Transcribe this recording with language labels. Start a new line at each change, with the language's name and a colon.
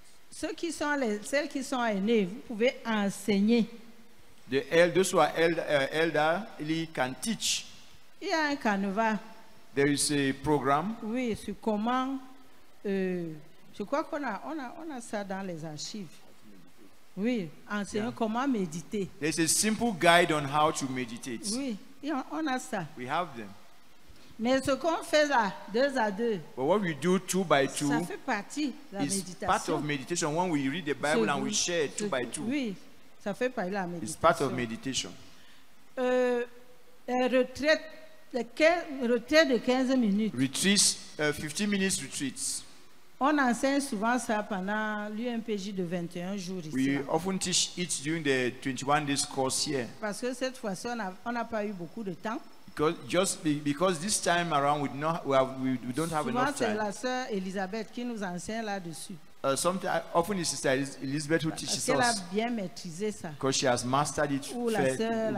French: Ceux qui sont les, celles qui sont aînées, vous pouvez enseigner.
English: The elders who are elderly can teach.
French: Il y a un canevas.
English: There is a program.
French: Oui, sur comment. Je crois qu'on a, on a ça dans les archives. Oui, enseigner yeah. Comment méditer.
English: There's a simple guide on how to meditate.
French: Oui, on a ça.
English: We have them.
French: Mais ce qu'on fait là, deux à deux.
English: But what we do two by two.
French: Ça fait partie de la méditation.
English: Part of meditation when we read the Bible and we share two by two.
French: Oui, ça fait partie de la méditation.
English: It's part of meditation.
French: Retraite de 15 minutes.
English: Retreats, 15 minutes retreats.
French: On enseigne souvent ça pendant l'UMPJ de 21 jours ici.
English: We often teach it during the 21 days course here.
French: Parce que cette fois-ci, on n'a pas eu beaucoup de temps.
English: Because this time around, we don't have
French: souvent
English: enough time.
French: C'est la sœur Elisabeth qui nous enseigne là-dessus.
English: Often it's sister Elizabeth who teaches
French: parce
English: us.
French: Parce qu'elle a bien maîtrisé ça.
English: Because she has mastered it
French: ou la sœur